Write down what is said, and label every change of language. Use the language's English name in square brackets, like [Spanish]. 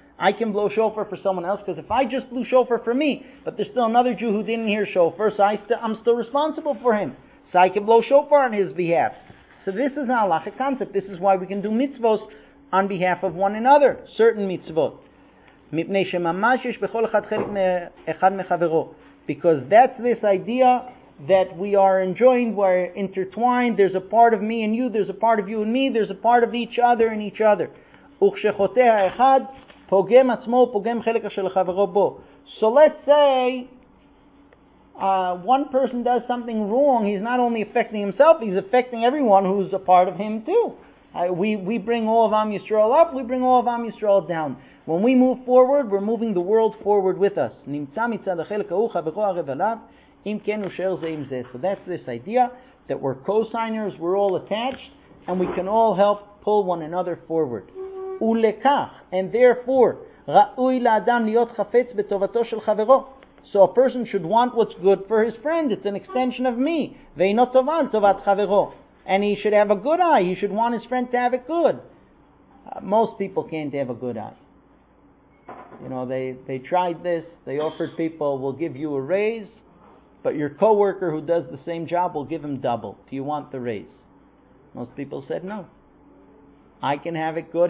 [English] I can blow shofar for someone else, because if I just blew shofar for me, but there's still another Jew who didn't hear shofar, so I'm still responsible for him. So I can blow shofar on his behalf. So this is our halachic concept. This is why we can do mitzvot on behalf of one another, certain mitzvot. [Hebrew] מפני שממש יש בכל אחד חלק מאחד מחברו. [English] Because that's this idea that we are enjoined, we are intertwined, there's a part of me and you, there's a part of you and me, there's a part of each other and each other. [Hebrew] וכשחוטא האחד, פוגם עצמו, פוגם חלק של חברו בו. [English] So let's say one person does something wrong, he's not only affecting himself, he's affecting everyone who's a part of him too. We bring all of Am Yisrael up, we bring all of Am Yisrael down. When we move forward, we're moving the world forward with us. [Hebrew] נמצא מצד החלק ההוא חברו ערב עליו, אם כן ושאר זה עם זה. [English] So that's this idea, that we're co-signers, we're all attached, and we can all help pull one another forward. [Hebrew] ולכך, [English] and therefore, [Hebrew] ראוי לאדם להיות חפץ בטובתו של חברו. [English] So a person should want what's good for his friend. It's an extension of me. [Hebrew] ואינו טובה על טובת חברו. [English] And he should have a good eye. He should want his friend to have it good. Most people can't have a good eye. You know, they tried this. They offered people, we'll give you a raise, but your coworker who does the same job will give him double. Do you want the raise? Most people said no. I can have it good.